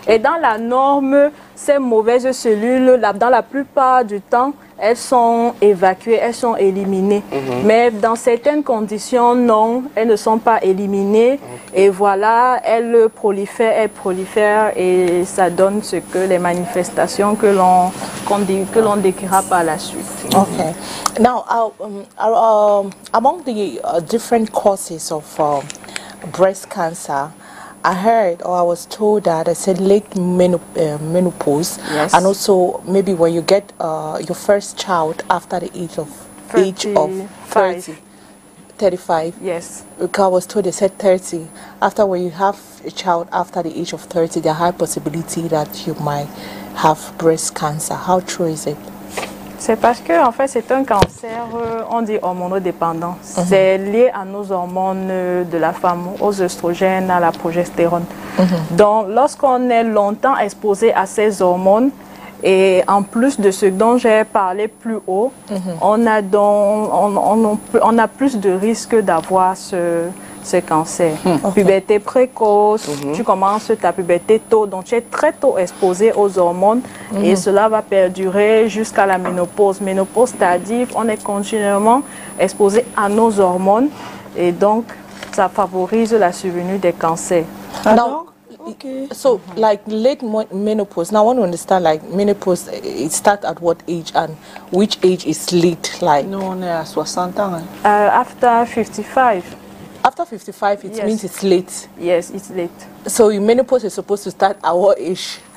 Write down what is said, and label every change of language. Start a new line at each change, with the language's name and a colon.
French: Et dans la norme, ces mauvaises cellules-là, dans la plupart du temps, elles sont évacuées, elles sont éliminées. Mais dans certaines conditions, non, elles ne sont pas éliminées. Et voilà, elles prolifèrent et ça donne ce que les manifestations que l'on décrira par la suite.
English: Among the different causes of breast cancer, I heard or I was told that it's a late menopause, and also maybe when you get your first child after the age of 35. 35. Because I was told they said 30. After when you have a child after the age of 30, there are high possibility that you might have breast cancer. How true is it?
French: C'est parce que, en fait, c'est un cancer, on dit hormonodépendant. C'est lié à nos hormones de la femme, aux œstrogènes, à la progestérone. Donc, lorsqu'on est longtemps exposé à ces hormones, et en plus de ce dont j'ai parlé plus haut, on a plus de risques d'avoir ce cancer. Puberté précoce, tu commences ta puberté tôt, donc tu es très tôt exposé aux hormones et cela va perdurer jusqu'à la ménopause. Ménopause tardive, on est continuellement exposé à nos hormones et donc ça favorise la survenue des cancers.
English: Pardon? So, like late menopause. Now, I want to understand, like menopause, it starts at what age and which age is late? Like,
French: Nous, on est à 60 ans. Hein?
English: After 55. After 55, it means it's late. Yes, it's late. So, your menopause is supposed to start at what age?